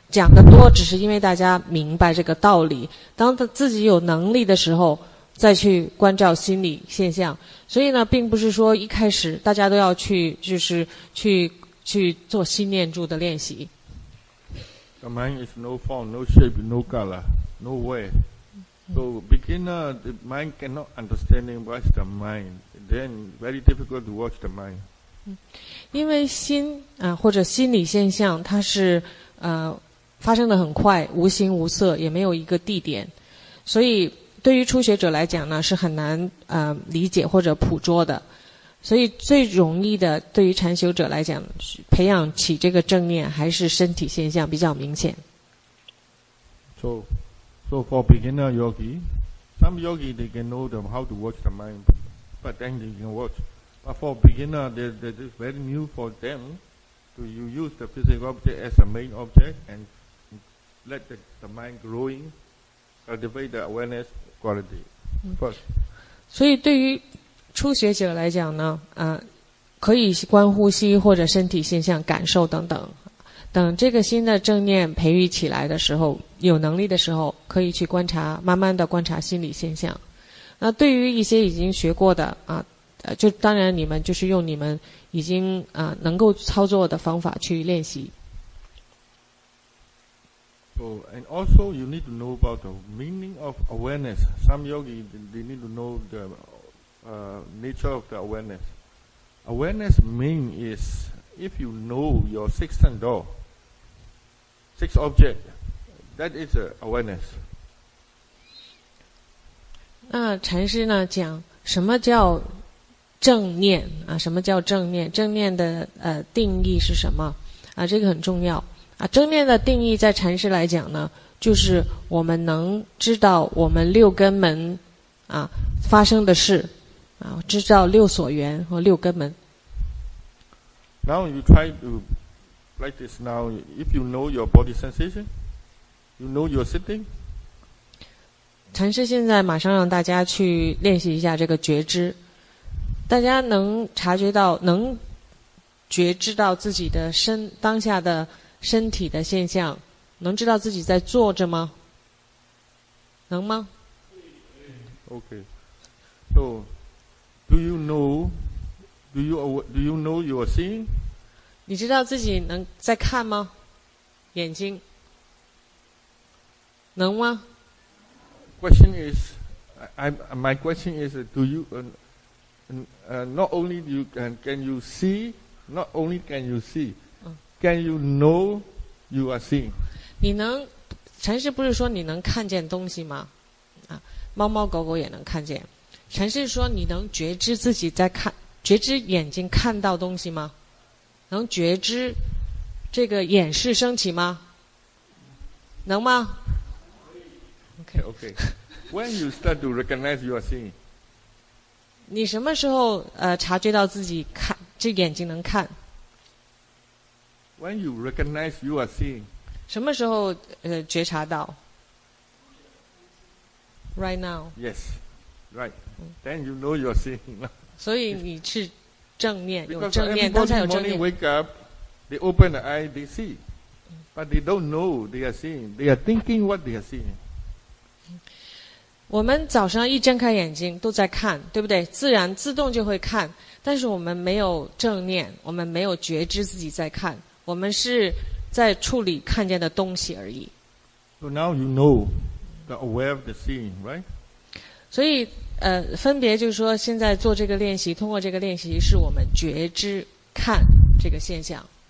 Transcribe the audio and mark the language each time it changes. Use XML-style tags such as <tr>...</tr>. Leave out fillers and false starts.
<zh>讲得多只是因为大家明白这个道理，当他自己有能力的时候再去关照心理现象。所以呢并不是说一开始大家都要去就是去做心念住的练习。</zh> <en>The mind is no form, no shape, no color, no way. So beginner, the mind cannot understand what's the mind. Then very difficult to watch the mind.</en> <zh>因为心或者心理现象，它是发生得很快，无形无色，也没有一个地点，所以对于初学者来讲呢，是很难理解或者捕捉的。所以最容易的对于禅修者来讲培养起这个正念还是身体现象比较明显。 So for beginner yogi, some yogi they can know them how to watch the mind, but then they can watch. But for beginner, they is very new for them to use the physical object as a main object and let the mind growing, cultivate the awareness quality first. 所以对于初学者来讲呢，可以观呼吸或者身体现象、感受等等，等这个新的正念培育起来的时候，有能力的时候，可以去观察，慢慢的观察心理现象。那对于一些已经学过的就当然你们就是用你们已经能够操作的方法去练习。</zh> <en>So, and also you need to know about the meaning of awareness. Some yogi they need to know the. Nature of the awareness. Awareness mean is if you know your six sandal, six object, that is awareness.</en> <zh>那禅师呢讲什么叫正念啊？什么叫正念？正念的定义是什么啊？这个很重要啊。正念的定义在禅师来讲呢，就是我们能知道我们六根门发生的事。知道六所缘和六根门。</zh> <en>Now you try to practice now. If you know your body sensation, you know your sitting.</en> <zh>禅师现在马上让大家去练习一下这个觉知。大家能察觉到，能觉知到自己的当下的身体的现象，能知道自己在坐着吗？能吗？</zh> <en>Okay. So.Do you know Do you know you are seeing?</en> <zh>你知道自己能在看吗？眼睛能吗？</zh> <en>My question is, do you not only do you can you see, not only can you see, can you know you are seeing?</en> <zh>你能，禅师不是说你能看见东西吗？啊，猫猫狗狗也能看见。禅师说你能觉知自己在看，觉知眼睛看到东西吗？能觉知这个眼识升起吗？能吗？</zh> <en>Okay. When you start to recognize you are seeing,</en> <zh>你什么时候察觉到自己看这眼睛能看？</zh> <en>When you recognize you are seeing,</en> <zh>什么时候觉察到？</zh> <en>Right now. Yes, right. Then you know you are seeing.</en> <zh>所以你是正念，有正念，当下有正念。</zh> <en>Because every morning wake up, they open the eye, they see, but they don't know they are seeing. They are thinking what they are seeing.</en> <zh>我们早上一睁开眼睛都在看，对不对？自然自动就会看，但是我们没有正念，我们没有觉知自己在看，我们是在处理看见的东西而已。</zh> <en>So now you know, the aware of the seeing, right?</en> <zh>所以。分别就是说，现在做这个练习，通过这个练习，是我们觉知看这个现象。</zh>